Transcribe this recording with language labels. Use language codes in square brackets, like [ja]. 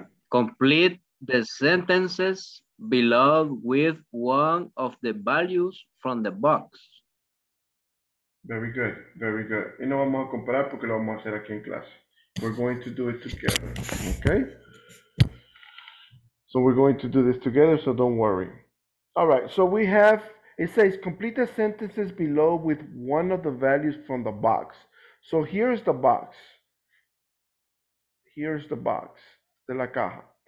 [en] Complete the sentences below with one of the values from the box. Very good, very good. [es] Y no vamos a comparar porque lo vamos a hacer aquí en clase. [en] We're going to do it together, okay? So we're going to do this together, so don't worry. All right, so we have, it says complete the sentences below with one of the values from the box. So here's the box. Here's the box, [es] de la caja.